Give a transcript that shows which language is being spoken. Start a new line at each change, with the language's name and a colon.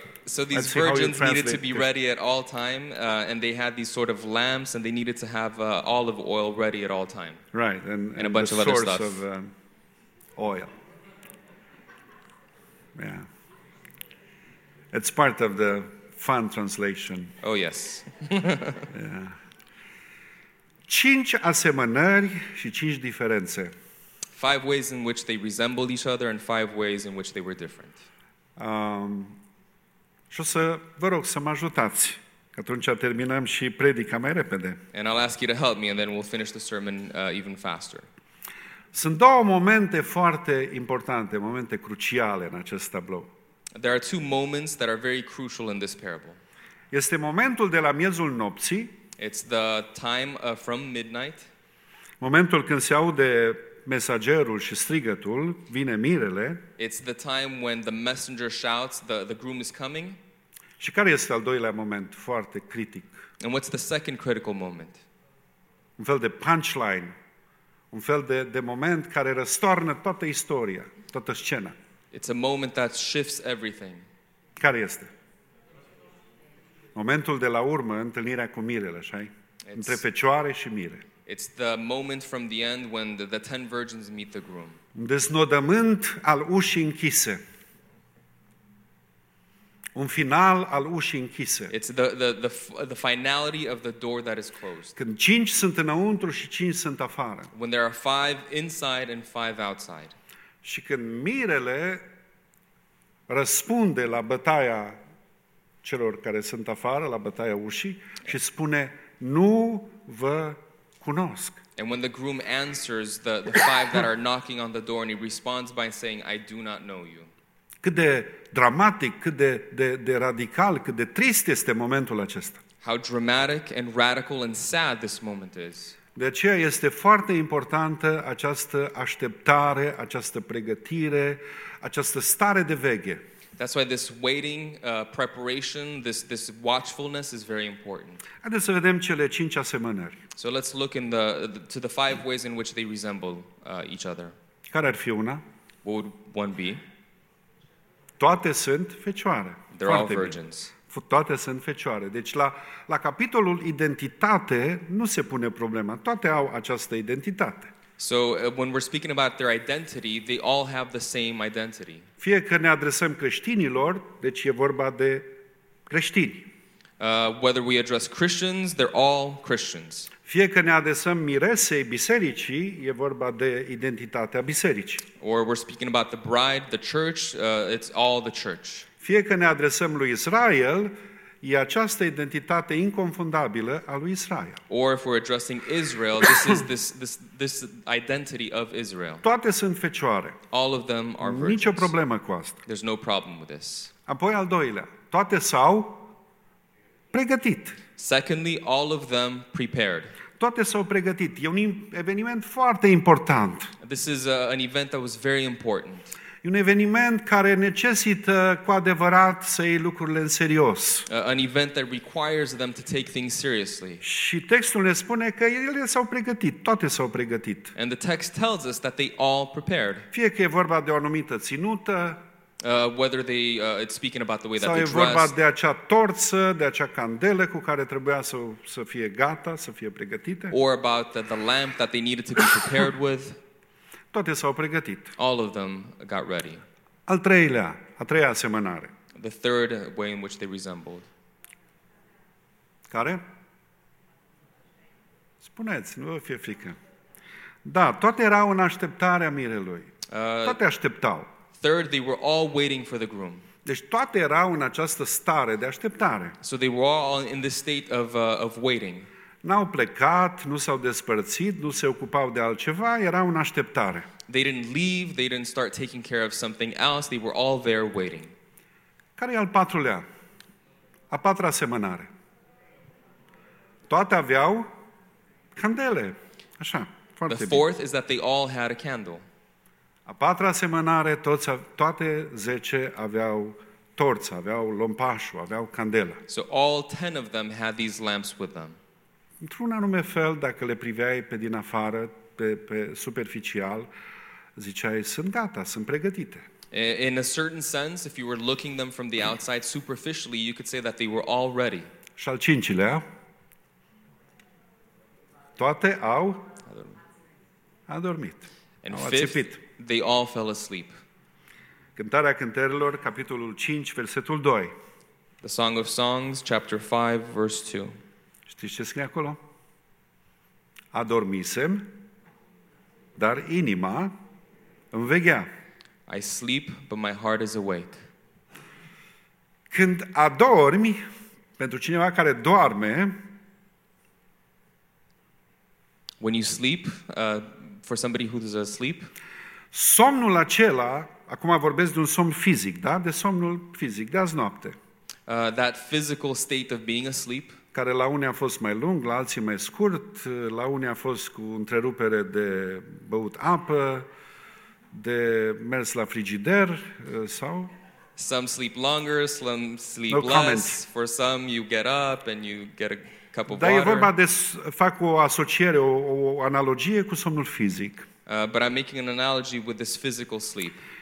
English: So these virgins needed to be ready at all time, and they had these sort of lamps, and they needed to have olive oil ready at all time. Right, and a bunch of other stuff. And the source of oil. Yeah. It's part of the fun translation. Oh, yes. Yeah.
Romanian: Cinci asemănări și cinci diferențe.
English: 5 ways in which they resembled each other, and 5 ways in which they were different.
Romanian: Și o să vă rog să mă ajutați, că atunci terminăm și predica mai repede.
English: And I'll ask you to help me and then we'll finish the sermon even faster.
Romanian: Sunt două momente foarte importante, momente cruciale în acest tablou.
English: There are two moments that are very crucial in this parable.
Romanian: Este momentul de la miezul nopții.
English: It's the time from midnight.
Romanian: Momentul când se aude mesagerul și strigătul, vine mirele.
English: It's the time when the messenger shouts, the groom is coming.
Romanian: Și care este al doilea moment foarte critic?
English: And what's the second critical moment?
Romanian: Un fel de punchline, un fel de moment care răstoarnă toată istoria, toată scena.
English: It's a moment that shifts everything.
Romanian: Care este? Momentul de la urmă, întâlnirea cu mirele, așa-i? Între fecioare și mire.
English: It's the moment from the end when the 10 virgins meet the groom.
Romanian: Un deznodământ al ușii închise. Un final al ușii închise.
English: It's the finality of the door that is closed.
Romanian: Când 5 sunt înăuntru și 5 sunt afară.
English: When there are 5 inside and 5 outside.
Romanian: Și când mirele răspunde la bătaia celor care sunt afară, la bătaia ușii și spune: "Nu vă cunosc."
English: And when the groom answers the 5 that are knocking on the door, and he responds by saying, "I do not know you."
Romanian: Cât de dramatic, cât de radical, cât de trist este momentul acesta.
English: How dramatic and radical and sad this moment is.
Romanian: De aceea este foarte importantă această așteptare, această pregătire, această stare de veghe.
English: That's why this waiting, preparation, this watchfulness is very important.
Romanian: Haideți să vedem cele 5 asemănări.
English: So let's look in to the 5 ways in which they resemble each other.
Romanian: Care ar fi una?
English: What would one be?
Romanian: Toate sunt fecioare.
English: They're all virgins.
Romanian: Toate sunt fecioare. Deci la capitolul identitate nu se pune problema. Toate au această identitate.
English: So when we're speaking about their identity, they all have the same identity.
Romanian: Fie că ne adresăm creștinilor, deci e vorba de creștini.
English: Whether we address Christians, they're all Christians.
Romanian: Fie că ne adresăm miresei bisericii, e vorba de identitatea bisericii.
English: Or we're speaking about the bride, the church, it's all the church.
Romanian: Fie că ne adresăm lui Israel, e această identitate inconfundabilă a lui Israel.
English: Or if we're addressing Israel, this is this identity of Israel.
Romanian: Toate sunt fecioare.
English: All of them are virgins.
Romanian: Nicio problemă cu asta.
English: There's no problem with this.
Romanian: Apoi al doilea, toate s-au pregătit.
English: Secondly, all of them prepared.
Romanian: Toate s-au pregătit. E un eveniment foarte important.
English: This is an event that was very important.
Romanian: E un eveniment care necesită cu adevărat să iei lucrurile în serios.
English: An event that requires them to take things seriously.
Romanian: Și textul ne spune că ele s-au pregătit, toate s-au pregătit.
English: And the text tells us that they all prepared.
Romanian: Fie că e vorba de o anumită ținută,
English: whether they it's speaking about the way
Romanian: sau
English: that they
Romanian: Sau e vorba de acea torță, de acea candelă cu care trebuia să fie gata, să fie pregătite.
English: Or about the lamp that they needed to be prepared with.
Romanian: Toate s-au pregătit.
English: All of them got ready.
Romanian: Al treilea, a treia asemănare.
English: The third way in which they resembled.
Romanian: Care? Spuneți, nu vă fie frică. Da, toate erau în așteptarea mirelui. Toate așteptau.
English: Third, they were all waiting for the groom.
Romanian: Deci toate erau în această stare de așteptare.
English: So they were all in this state of waiting.
Romanian: N-au plecat, nu s-au despărțit, nu se ocupau de altceva, erau în așteptare.
English: They didn't leave, they didn't start taking care of something else, they were all there waiting.
Romanian: Care e al patrulea? A patra asemănare. Toate aveau candele. Așa, foarte bine.
English: The fourth is that they all had a candle.
Romanian: A patra asemănare, toate zece aveau torță, aveau lompașul, aveau candela.
English: So all 10 of them had these lamps with them.
Romanian: Într-un anume fel, dacă le priveai pe din afară, pe superficial, ziceai, sunt gata, sunt pregătite.
English: In a certain sense, if you were looking them from the outside superficially, you could say that they were all ready.
Romanian: Și al cincilea, toate au adormit.
English: And fifth, they all fell asleep.
Romanian: Cântarea Cântărilor, capitolul 5, versetul 2.
English: The Song of Songs, chapter 5, verse 2.
Romanian: Știți ce scrie acolo? Adormisem, dar inima înveghea.
English: I sleep, but my heart is awake.
Romanian: Când adormi, pentru cineva care doarme,
English: when you sleep, for somebody who is asleep,
Romanian: somnul acela, acum vorbesc de un somn fizic, da? De somnul fizic, de azi noapte.
English: That physical state of being asleep,
Romanian: care la unii a fost mai lung, la alții mai scurt, la unii a fost cu întrerupere de băut apă, de mers la frigider, sau...
English: Some sleep longer, some sleep less. For some, you get up and you get a cup of water.
Romanian: Dar e vorba de... Fac o asociere, o analogie cu somnul fizic.
English: But I'm making an analogy with this physical sleep.